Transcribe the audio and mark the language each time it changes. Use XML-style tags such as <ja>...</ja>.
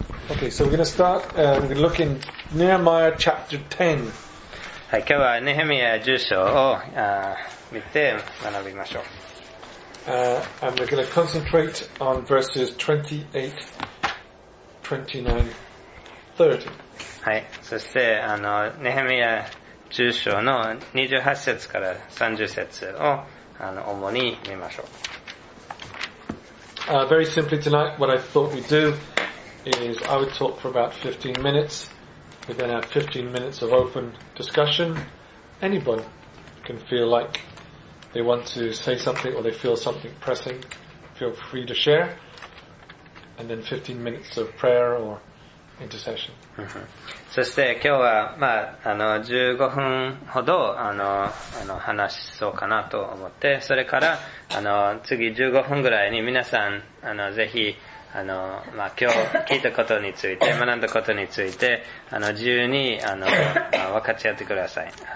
<en>Okay, so we're going to start and we're looking Nehemiah chapter 10.</en> <ja>はい、今日はネヘミヤ10章を見て学びましょう。</ja> <en>And we're going to concentrate on verses 28, 29, 30.</en> <ja>はい、そしてネヘミヤ10章の28節から30節を主に見ましょう。</ja> <en>Very simply tonight, what I thought we'd do is I would talk for about 15 minutes. We then have 15 minutes of open discussion. Anyone can feel like they want to say something or they feel something pressing, feel free to share. And then 15 minutes of prayer or intercession.</en> <ja>そして今日は、まあ、15分ほど話しそうかなと思って、それから次15分ぐらいに皆さんぜひまあ、今日聞いたことについて、学んだことについて、自由に、分かち合ってください。</ja>